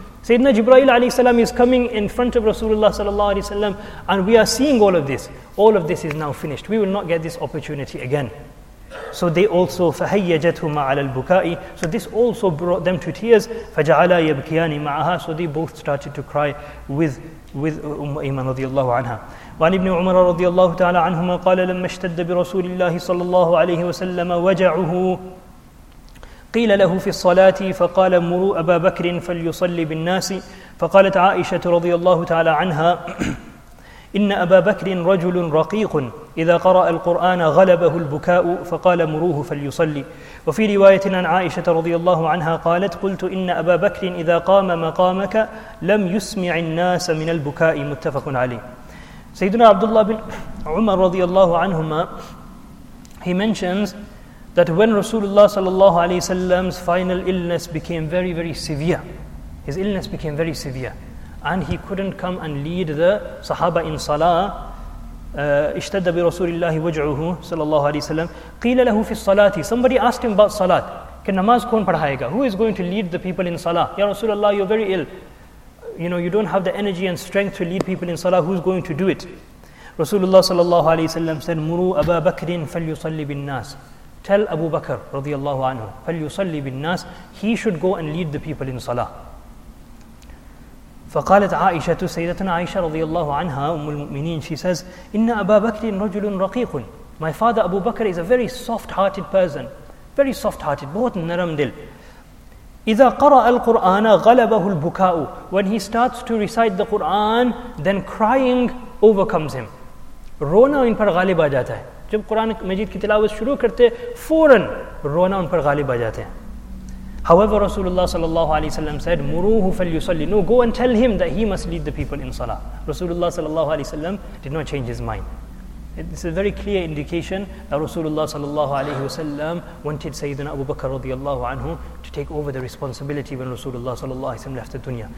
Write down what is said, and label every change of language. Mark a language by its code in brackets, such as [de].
[en] Sayyidina Jibreel alayhi salam is coming in front of Rasulullah sallallahu alayhi salam, and we are seeing all of this. All of this is now finished. We will not get this opportunity again. So they also, [ar] فَهَيَّجَتْهُمَا عَلَى الْبُكَاءِ. [en] So this also brought them to tears. [ar] فَجَعَلَا يَبْكِيَانِ مَعَهَا. [en] So they both started to cry with Umm Ayman radiallahu anha. [ar] وعن ابن عمر رضي الله تعالى عنهما قال لما اشتد برسول الله صلى الله عليه وسلم وجعه قيل له في الصلاة فقال مروا أبا بكر فليصلي بالناس. فقالت عائشة رضي الله تعالى عنها إن أبا بكر رجل رقيق إذا قرأ القرآن غلبه البكاء فقال مروه فليصلي. وفي رواية عن عائشة رضي الله عنها قالت قلت إن أبا بكر إذا قام مقامك لم يسمع الناس من البكاء. متفق عليه. [en] سيدنا عبد الله بن عمر رضي الله عنهما, he mentions that when Rasulullah sallallahu alayhi wasallam's final illness became very, very severe, his illness became very severe, and he couldn't come and lead the sahaba in salah, [ar] اشتد برسولالله وجعه صلى الله عليه وسلم, قيل له في الصلاة, [en] somebody asked him about salat, [ur] ke namaz kon padhaye ga, [en] who is going to lead the people in salah? Ya Rasulullah, you're very ill, you know, you don't have the energy and strength to lead people in salah, who's going to do it? [ar] Rasulullah صلى الله عليه وسلم said, مروا أبا بكر فليصلي بالناس. [en] Tell Abu Bakr radiallahu anhu, [ar] فَلْيُصَلِّ بِالنَّاسِ, [en] he should go and lead the people in salah. [ar] فَقَالَتْ عَائِشَةُ, سَيِّدَتُنَا عَائِشَةُ radiallahu anha, أُمُّ الْمُؤْمِنِينَ, [en] she says, [ar] إِنَّ أَبَا بَكْرٍ رَجُلٌ رَقِيقٌ. [en] My father Abu Bakr is a very soft-hearted person, very soft-hearted, [ur] both naram dil. [ar] إِذَا قَرَأَ الْقُرْآنَ غَلَبَهُ الْبُكَاءُ. [en] When he starts to recite the Quran, then crying overcomes him. [ur] Rona in par ghalib aa jata hai. جب قرآن مجید کی تلاوت شروع کرتے فوراً رونا ان پر غالب آ جاتے ہیں. [en] However, Rasulullah sallallahu alayhi wa sallam said, [ar] مُرُوهُ فَلْيُصَلِّ. [en] No, go and tell him that he must lead the people in salah. Rasulullah sallallahu alayhi wa sallam did not change his mind. It's a very clear indication that Rasulullah sallallahu alayhi wa sallam wanted Sayyidina Abu Bakr radiallahu anhu to take over the responsibility when Rasulullah sallallahu alayhi wa sallam left the dunya.